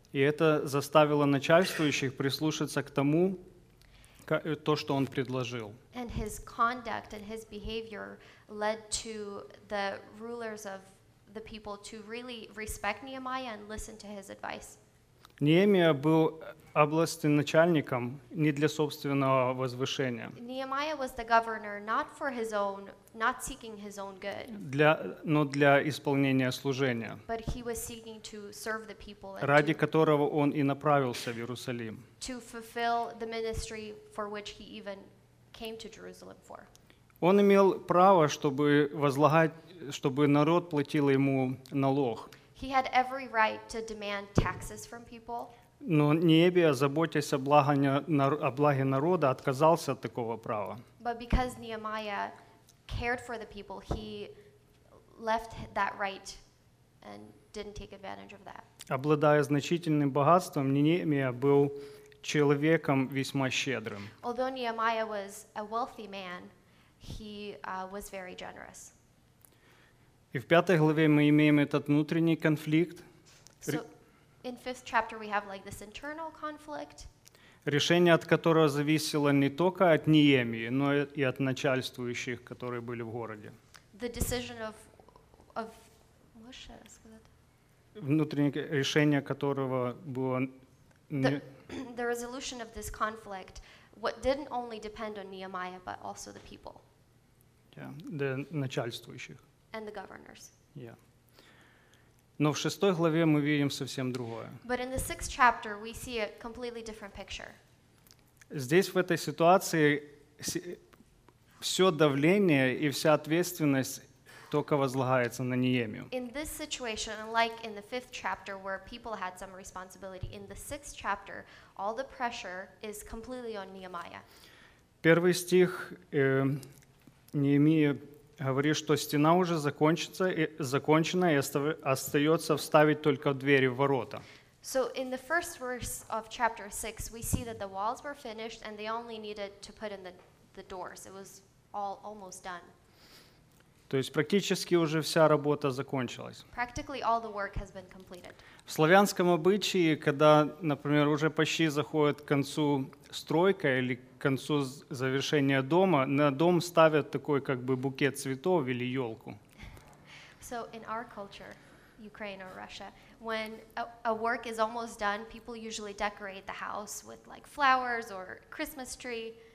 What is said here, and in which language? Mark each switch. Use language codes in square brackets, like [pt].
[ru] И это заставило начальствующих прислушаться к тому, то, что он предложил. [en] And his conduct and his behavior led to the rulers of the people to really respect Nehemiah and listen to his advice. [ru] Неемия был областным начальником не для собственного возвышения. [en] Nehemiah was the governor not for his own, not seeking his own good. [ru] Но для исполнения служения. [en] But he was seeking to serve the people. [ru] Ради которого он и направился в Иерусалим. [en] To fulfill the ministry for which he even came to Jerusalem for. [ru] Он имел право, чтобы возлагать, чтобы народ платил ему налог. [en] He had every right to demand taxes from people. [ru] Но Неемия, заботясь о благе народа, отказался от такого права. [en] But because Nehemiah cared for the people, he left that right and didn't take advantage of that. [ru] Обладая значительным богатством, Неемия был человеком весьма щедрым. [en] Although Nehemiah was a wealthy man, he was very generous. [ru] И в пятой главе мы имеем этот внутренний конфликт. [en] In fifth chapter, we have like this internal conflict. [ru] Решение от которого зависело не только от Неемии, но и от начальствующих, которые были в городе. [en] The decision of what should I say? [ru] Внутреннее решение которого было не. [en] The resolution of this conflict, what didn't only depend on Nehemiah, but also the people. Yeah, the начальствующих. And the governors. Yeah. [ru] Но в шестой главе мы видим совсем другое. [en] But in the sixth chapter, we see a completely different picture. [ru] Здесь в этой ситуации все давление и вся ответственность только возлагается на Неемию. [en] In this situation, unlike in the fifth chapter where people had some responsibility, in the sixth chapter, all the pressure is completely on Nehemiah. [ru] Первый стих Неемии говорит, что стена уже закончена и остается вставить только двери в ворота. [en] So in the first verse of chapter 6, we see that the walls were finished and they only needed to put in the doors. It was all almost done. [ru] То есть практически уже вся работа закончилась. [en] Practically all the work has been completed. [ru] В славянском обычае, когда, например, уже почти заходит к концу стройка или к концу завершения дома, на дом ставят такой как бы букет цветов или елку. [en] So in our culture, Ukraine or Russia, when a work is almost done, people usually decorate the house with like flowers or Christmas tree.